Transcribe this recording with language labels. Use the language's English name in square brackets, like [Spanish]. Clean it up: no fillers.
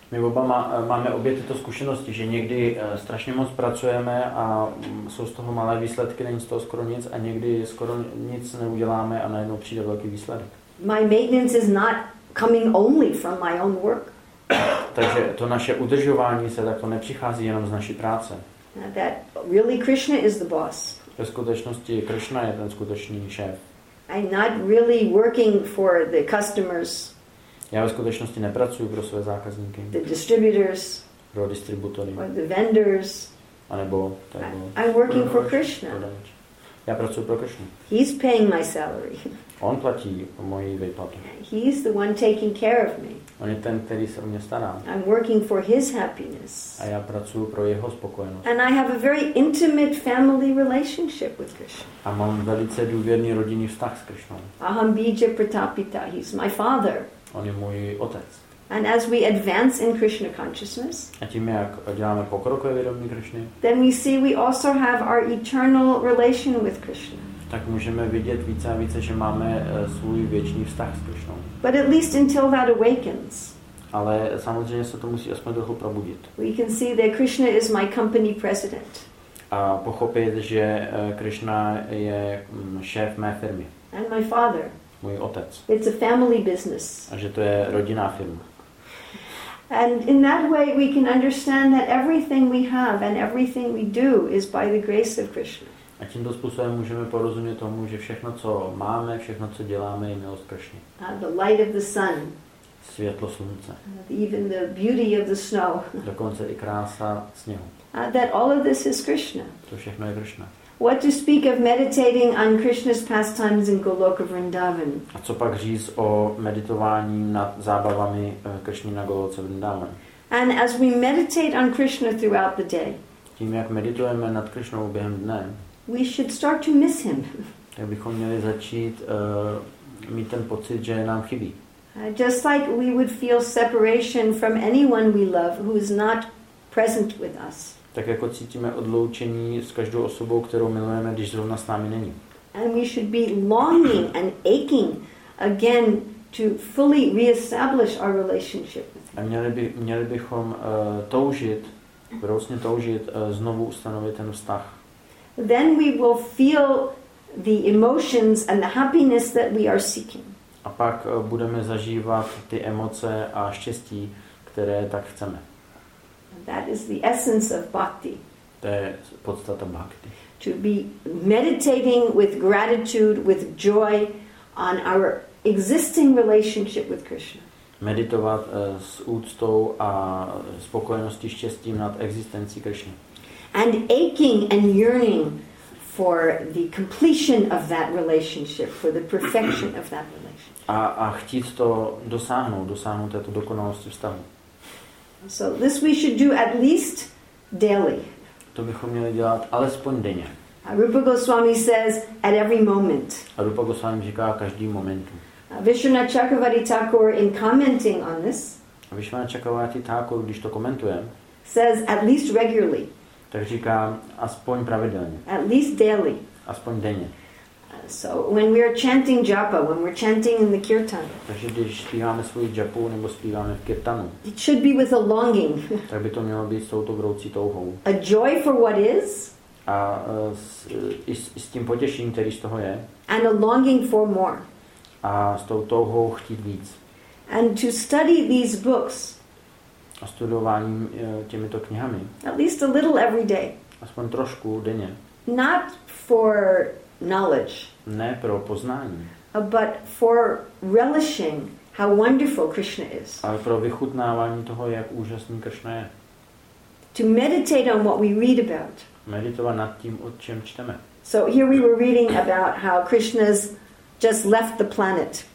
[Czech] My oba máme obě tyto zkušenosti, že někdy strašně moc pracujeme a jsou z toho malé výsledky, není z toho skoro nic, a někdy skoro nic neuděláme a najednou přijde velký výsledek. [English] My maintenance is not coming only from my own work. [Czech] Takže to naše udržování se takto nepřichází jenom z naší práce. [English] That really Krishna is the boss. [Czech] Ve skutečnosti Krishna je ten skutečný šéf. [English] I'm not really working for the customers. [Czech] Já ve skutečnosti nepracuji pro své zákazníky. [English] The distributors. [Czech] Pro distributory. [English] Or the vendors. [Czech] A nebo tak. [English] I'm working for Krishna. [Czech] Já pracuji pro Krishnu. [English] He's paying my salary. [Czech] On platí moji výplatu. [English] He's the one taking care of me. [Czech] On je ten, který se o mě stará. [English] I'm working for his happiness. [Czech] A já pracuji pro jeho spokojenost. [English] And I have a very intimate family relationship with Krishna. [Czech] A mám velice důvěrný rodinný vztah s Krishnou. [Sanskrit] Aham bija pratapita. [English] He's my father. [Czech] On je můj otec. [English] And as we advance in Krishna consciousness, [Czech] a tím, jak děláme pokrok ve vědomí Krishny, [English] then we see we also have our eternal relation with Krishna. [Czech] Tak můžeme vidět více a více, že máme svůj věčný vztah s Krishnou. [English] But at least until that awakens. [Czech] Ale samozřejmě se to musí aspoň trochu probudit. [English] We can see that Krishna is my company president. [Czech] A pochopit, že Krishna je šéf mé firmy. [English] And my father. [Czech] Můj otec. [English] It's a family business. [Czech] A že to je rodinná firma. [English] And in that way we can understand that everything we have and everything we do is by the grace of Krishna. [Czech] A tímto způsobem můžeme porozumět tomu, že všechno, co máme, všechno, co děláme, je milost Krishny. [English] The light of the sun. [Czech] Světlo slunce. [English] Even the beauty of the snow. [Czech] Dokonce i krása sněhu. [English] That all of this is Krishna. [Czech] To všechno je Krishna. [English] What to speak of meditating on Krishna's pastimes in Goloka Vrindavan? [Czech] A co pak říct o meditování nad zábavami Krishny na Goloce Vrindavan? [English] And as we meditate on Krishna throughout the day, [Czech] tím jak meditujeme nad Krishnou během dne, [English] we should start to miss him. [Czech] Tak bychom měli začít mít ten pocit, že nám chybí. [English] Just like we would feel separation from anyone we love who is not present with us. [Czech] Tak jako cítíme odloučení s každou osobou, kterou milujeme, když zrovna s námi není. [English] And we should be longing and aching again to fully reestablish our relationship. [Czech] A měli bychom toužit znovu ustanovit ten vztah. [English] then we will feel the emotions and the happiness that we are seeking. [Czech] A pak budeme zažívat ty emoce a štěstí, které tak chceme. [English] That is the essence of bhakti. [Czech] To je podstata bhakti. [English] To be meditating with gratitude, with joy on our existing relationship with Krishna. [Czech] Meditovat s úctou a spokojeností, štěstím nad existencí Krishna. [English] And aching and yearning for the completion of that relationship, for the perfection of that relationship. [Czech] A chtít to dosáhnout této dokonalosti vztahu. [English] So this we should do at least daily. [Czech] To bychom měli dělat alespoň denně. [English] Rupa Goswami says at every moment. [Czech] A Rupa Goswami říká každý moment. [English] Vishwanath Chakravarti Thakur in commenting on this. [Czech] Vishwanath Chakravarti Thakur, když to komentuje, [English] says at least regularly. [Czech] Tak říká aspoň pravidelně. [English] At least daily. [Czech] Aspoň denně. [English] So when we are chanting japa, when we're chanting in the kirtan. [Czech] Takže když zpíváme svůj japu nebo zpíváme v kirtanu. [English] It should be with a longing. [Czech] Tak by to mělo být s touto vroucí touhou. [English] A joy for what is. [Czech] A s tím potěšením, který z toho je. [English] And a longing for more. [Czech] A s tou touhou chtít víc. [English] And to study these books. [Czech] A studováním těmito knihami. [English] At least a little every day. [Czech] Aspoň trošku denně. [English] Not for knowledge. [Czech] Ne pro poznání. [English] But for relishing how wonderful Krishna is. [Czech] Ale pro vychutnávání toho, jak úžasný Krishna je. [English] To meditate on what we read about. [Czech] Meditovat nad tím, o čem čteme. [English] So here we were reading about how Krishna's just left the planet.